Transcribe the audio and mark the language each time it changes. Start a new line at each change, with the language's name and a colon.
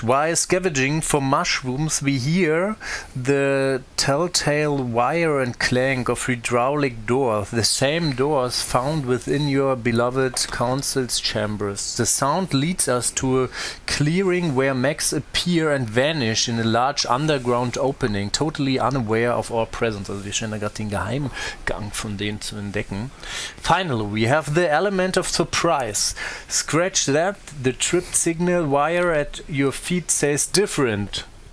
English: While scavenging for mushrooms, we hear the telltale wire and clank of hydraulic doors, the same doors found within your beloved council's chambers. The sound leads us to a clearing where mechs appear and vanish in a large underground opening, totally unaware of our presence.
German: Also wir scheinen da gerade den Geheimgang von denen zu entdecken.
English: Finally, we have the element of surprise. Scratch that, the trip signal wire at your feet says different.